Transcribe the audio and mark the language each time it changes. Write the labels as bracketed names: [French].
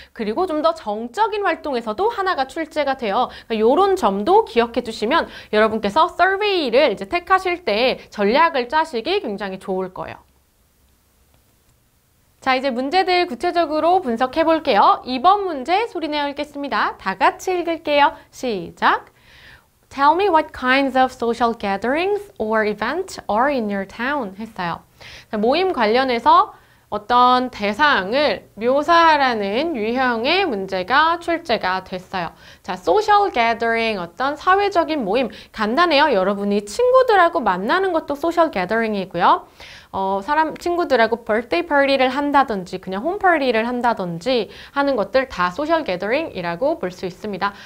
[Korean] 그리고 좀 더 정적인 활동에서도 하나가 출제가 돼요. 이런 점도 기억해 주시면 여러분께서 서베이를 이제 택하실 때 전략을 짜시기 굉장히 좋을 거예요. 자, 이제 문제들 구체적으로 분석해 볼게요. 2번 문제 소리내어 읽겠습니다. 다 같이 읽을게요. 시작! [English] Tell me what kinds of social gatherings or events are in your town [Korean] 했어요. 모임 관련해서 어떤 대상을 묘사하라는 유형의 문제가 출제가 됐어요. 자, social gathering, 어떤 사회적인 모임. 간단해요. 여러분이 친구들하고 만나는 것도 social gathering이고요. 사람 친구들하고 birthday party를 한다든지 그냥 홈 party를 한다든지 하는 것들 다 social gathering이라고 볼 수 있습니다.